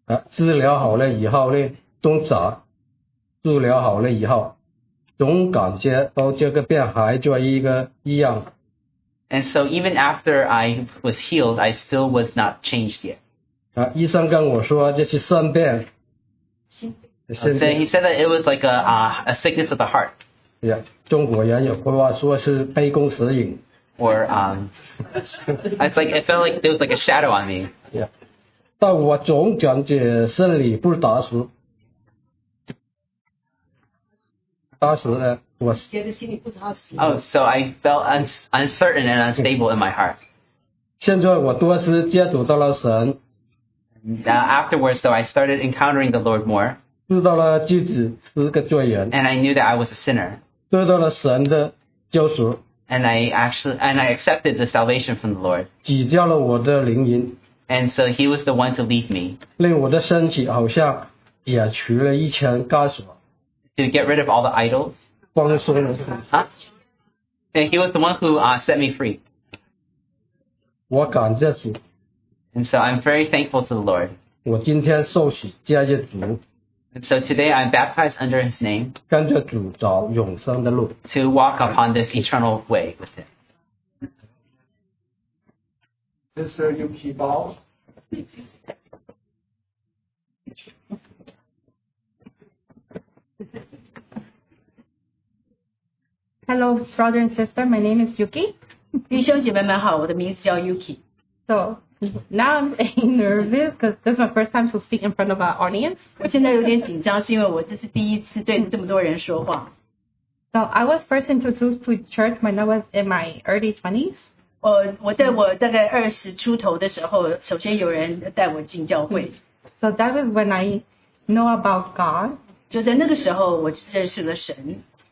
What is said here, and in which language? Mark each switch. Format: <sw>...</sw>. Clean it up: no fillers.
<zh>治疗好了以后呢，总咋？治疗好了以后，总感觉到这个病还在一个一样。</zh> <en>And so even after I was healed, I still was not changed yet.</en> <zh>医生跟我说这是肾病。</zh> <en>He said that it was like a sickness of the heart.</en> <zh>Yeah, 中国人有话说是杯弓蛇影。</zh> <en>Or, it's like, it felt like there was like a shadow on me. Yeah.</en> <zh>但我总感觉肾里不踏实。当时呢，我。</zh> <en>Oh, so I felt uncertain and unstable in my heart.</en> <zh>现在我多次接触到了神。</zh> <en>Now, afterwards, though, I started encountering the Lord more.</en> <zh>知道了自己是个罪人。</zh> <en>And I knew that I was a sinner.</en> <zh>得到了神的救赎。</zh> <en>And I accepted the salvation from the Lord.</en> <zh>挤掉了我的灵魂。</zh> <en>And so he was the one to leave me.</en> <zh>令我的身体好像解除了一切枷锁。</zh> <en>To get rid of all the idols.</en> <zh>光说了。</zh> <en>Huh? And he was the one who set me free.</en> <zh>我感谢主。</zh> <en>And so I'm very thankful to the Lord.</en> <zh>我今天受洗加入主。</zh> <en>And so today I'm baptized under his name.</en> <zh>跟着主找永生的路。</zh> <en>To walk upon this eternal way with him. Sister Yuki Bao. Hello, brother and sister. My name is Yuki.</en> <zh>弟兄姐妹们好，我的名字叫 Yuki.</zh> <en>So... Now I'm nervous because this is my first time to speak in front of an audience.</en> <zh>我现在有点紧张，是因为我这是第一次对这么多人说话。</zh> <en>So I was first introduced to church when I was in my early 20s.</en> <zh>我在我大概二十出头的时候，首先有人带我进教会。</zh> <en>So that was when I know about God.</en> <zh>就在那个时候，我认识了神。</zh>